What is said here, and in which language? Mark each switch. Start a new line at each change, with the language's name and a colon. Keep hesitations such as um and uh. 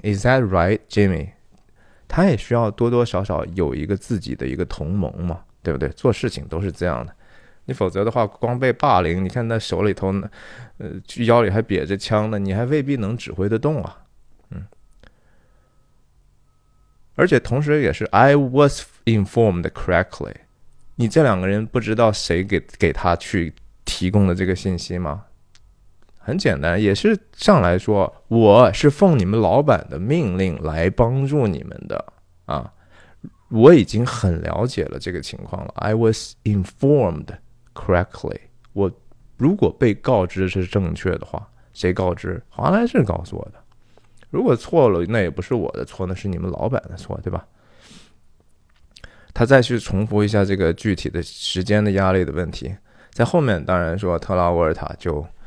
English: Is that right, Jimmy？”
Chinese: 他也需要多多少少有一个自己的一个同盟嘛，对不对？做事情都是这样的，你否则的话光被霸凌，你看那手里头呢，呃，腰里还别着枪呢，你还未必能指挥得动啊，嗯。而且同时也是，
English: I was informed correctly。
Chinese: 你这两个人不知道谁给给他去提供的这个信息吗？很简单，也是上来说，我是奉你们老板的命令来帮助你们的啊。我已经很了解了这个情况了。
English: I was informed correctly。
Chinese: 我如果被告知是正确的话，谁告知？华莱士告诉我的。如果错了，那也不是我的错，那是你们老板的错，对吧？他再去重复一下这个具体的时间的压力的问题，在后面当然说特拉沃尔塔就。